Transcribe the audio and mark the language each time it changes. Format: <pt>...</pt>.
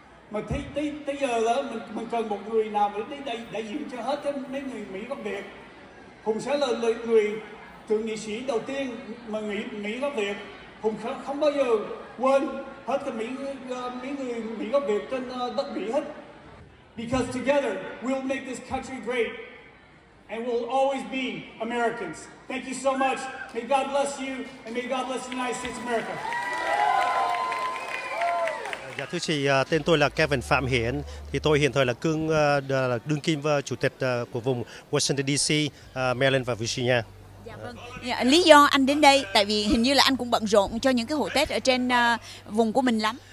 <vi>Mà tới giờ là mình cần một người nào để đại diện cho hết cái mấy người Mỹ gốc Việt. Hùng sẽ là người thượng nghị sĩ đầu tiên mà Mỹ gốc Việt. Hùng không bao giờ quên hết cái mấy người Mỹ gốc Việt trên đất Mỹ hết.</vi> <en>Because together we'll make this country great and we'll always be Americans. Thank you so much. May God bless you and may God bless the United States of America.</en> <vi>Dạ thưa chị, tên tôi là Kevin Phạm Hiển, thì tôi hiện thời là đương kim chủ tịch của vùng Washington DC, Maryland và Virginia. Dạ vâng. Lý do anh đến đây, tại vì hình như là anh cũng bận rộn cho những cái hội Tết ở trên vùng của mình lắm.</vi>